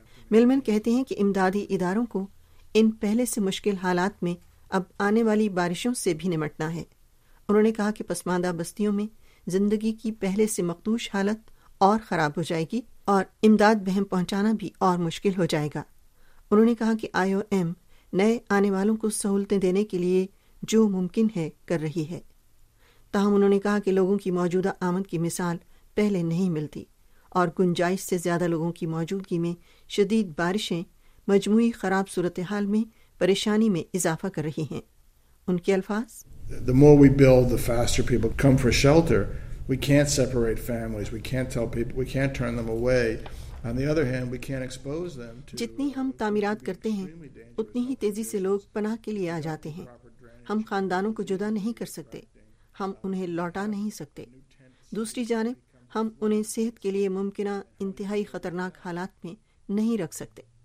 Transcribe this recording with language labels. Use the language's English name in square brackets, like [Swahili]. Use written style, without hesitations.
[Urdu] ملمن کہتے ہیں کہ امدادی اداروں کو ان پہلے سے مشکل حالات میں اب آنے والی بارشوں سے بھی نمٹنا ہے۔ انہوں نے کہا کہ پسماندہ بستیوں میں زندگی کی پہلے سے مخدوش حالت اور خراب ہو جائے گی اور امداد بہم پہنچانا بھی اور مشکل ہو جائے گا۔ انہوں نے کہا کہ آئی او ایم نئے آنے والوں کو سہولتیں دینے کے لیے جو ممکن ہے کر رہی ہے، تاہم انہوں نے کہا کہ لوگوں کی موجودہ آمد کی مثال پہلے نہیں ملتی اور گنجائش سے زیادہ لوگوں کی موجودگی میں شدید بارشیں مجموعی خراب صورتحال میں پریشانی میں اضافہ کر رہی ہیں۔ ان کے الفاظ، [English] The more we build, the faster people come for shelter. We can't separate families. We can't tell people. We can't turn them away. On the other hand, we can't expose them to [Urdu] جتنی ہم تعمیرات کرتے ہیں اتنی ہی تیزی سے لوگ پناہ کے لیے آ جاتے ہیں۔ ہم خاندانوں کو جدا نہیں کر سکتے، ہم انہیں لوٹا نہیں سکتے۔ دوسری جانب ہم انہیں صحت کے لیے ممکنہ انتہائی خطرناک حالات میں نہیں رکھ سکتے۔